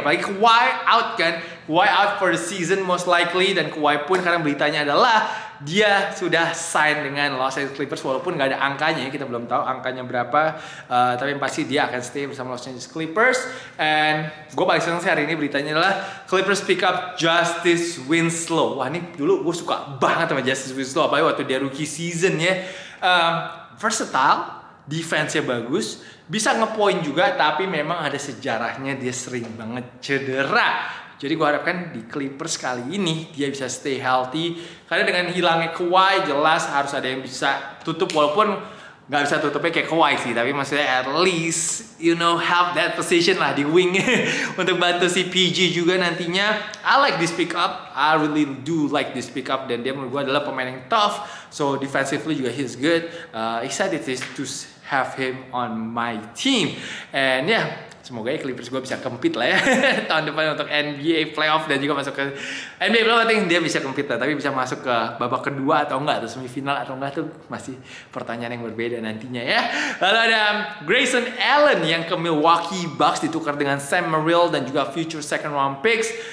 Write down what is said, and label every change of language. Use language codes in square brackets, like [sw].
[en] Apalagi Kawhi out kan, Kawhi out for the season most likely. [id] Dan Kawhi pun sekarang beritanya adalah dia sudah sign dengan Los Angeles Clippers. Walaupun gak ada angkanya, kita belum tahu angkanya berapa, tapi yang pasti dia akan stay bersama Los Angeles Clippers. And gue paling seneng sih hari ini beritanya adalah Clippers pick up Justice Winslow. Wah, ini dulu gue suka banget sama Justice Winslow, apalagi waktu dia rookie season ya. Versatile, defense-nya bagus, bisa ngepoint juga, tapi memang ada sejarahnya dia sering banget cedera. Jadi gue harapkan di Clippers kali ini dia bisa stay healthy. Karena dengan hilangnya Kawhi, jelas harus ada yang bisa tutup. Walaupun gak bisa tutupnya kayak Kawhi sih, tapi maksudnya [en] at least, you know, help that position [id] lah di wing untuk bantu si PG juga nantinya. [en] I like this pick up. I really do like this pick up. [id] Dan dia menurut gue adalah pemain yang tough. [en] So defensively [id] juga [en] he's good. Excited to have him on my team. And yeah, [id] semoga ya Clippers gue bisa compete lah ya tahun depan untuk NBA Playoff. Dan juga masuk ke NBA Playoff, penting dia bisa compete lah. Tapi bisa masuk ke babak kedua atau enggak, atau semifinal atau enggak, tuh masih pertanyaan yang berbeda nantinya ya. Lalu ada Grayson Allen yang ke Milwaukee Bucks ditukar dengan Sam Merrill dan juga future second round picks.